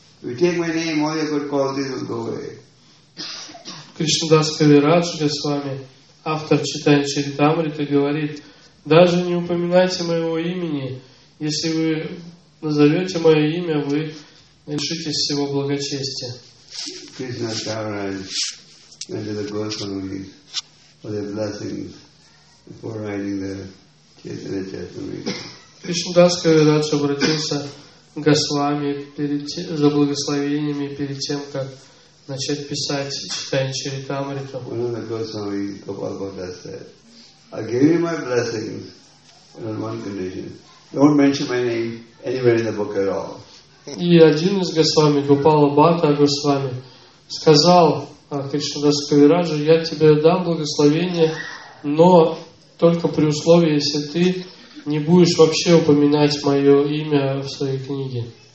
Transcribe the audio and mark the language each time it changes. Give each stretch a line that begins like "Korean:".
English: If you take my name, all your good qualities will go away."
Russian: Кришнадас Кавирадж, Госвами, автор Чайтанья Чаритамриты, говорит, "Даже не упоминайте моего имени. Если вы назовете мое имя, вы лишитесь всего благочестия."
English: Кришнадас Кавирадж went to the Goswamis for their blessings before writing the Chaitanya Charitamrita.
Russian: Кришнадас Кавирадж обратился к Госвами за благословениями перед тем, как начать писать Чайтанья Чаритамриту.
English: One of the Goswamis, Gopal Bhattacharya, said, "I give you my blessings on one condition. Don't mention my name anywhere in the book at all.
Russian: И один из Госвами, Гупала Бхата Госвами, сказал Кришнадас Кавираджу, я тебе дам благословение, но только при условии, если ты не будешь вообще упоминать мое имя в своей книге.